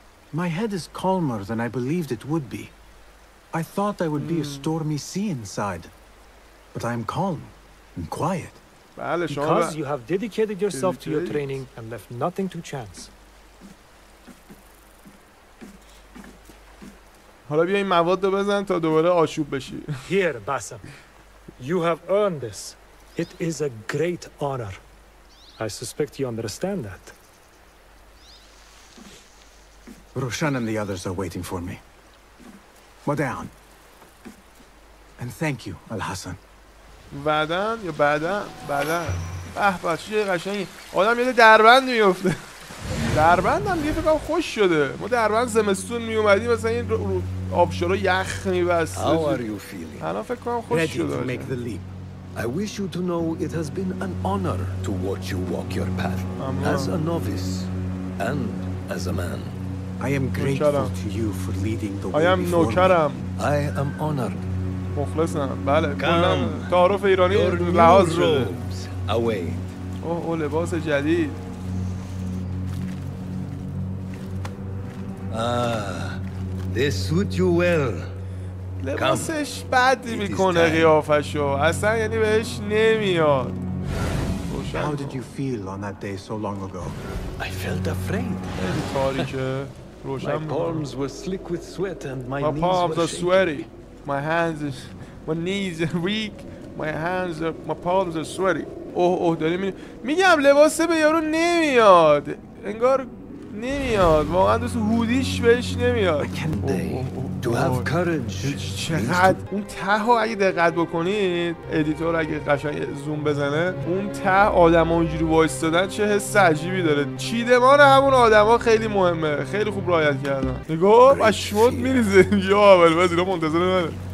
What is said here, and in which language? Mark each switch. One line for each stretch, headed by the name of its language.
English: My head is calmer than I believed it would be. I thought I would be a stormy sea inside. But I am calm. And quiet. Because you have dedicated yourself to your training and left nothing to chance.
Persian: حالا بیا این مواد رو بزن تا دوباره آشوب بشی.
English: Here, Basim. You have earned this. It is a great honor. I suspect you understand that. Roshan and the others are waiting for me. Well down. And thank you, Alhassan.
Persian: بعدن یا بعدن بعدن به به چیه قشنگی آدم یاده دربند میفته دربند هم دیگه فکرم خوش شده ما دربند زمستون میومدیم مثلا این آبشارا یخ میبست الان فکرم خوش
English: I wish you to know it has been an honor to watch you walk your path as a novice and as a man I am grateful to you for leading the way before me I am honored
Persian: مخلصم بله کلم تعارف ایرانی لحاظ شده اوه لباس جدید لباسش بدی میکنه قیافشو اصلا یعنی بهش نمیاد
English: How did you feel on that day so long ago? I felt afraid.
Persian: تاریکه روشن
English: My palms were slick with sweat and my knees were shaking. My palms are sweaty. My hands is my knees are weak my hands are my palms are sweaty
Persian: اوه داری میگم لباس به یارو نمیاد انگار نمیاد واقعا دوست هودیش بهش نمیاد
English: to have courage
Persian: چقد اون ته رو اگه دقت بکنید ادیتور اگه قشنگ زوم بزنه اون ته آدم ها اونجوری وایستادن چه حس عجیبی داره چیدمان همون آدم ها خیلی مهمه خیلی خوب رعایت کردن نگاه و شمات میریزه یا اول وزیرا منتظر منه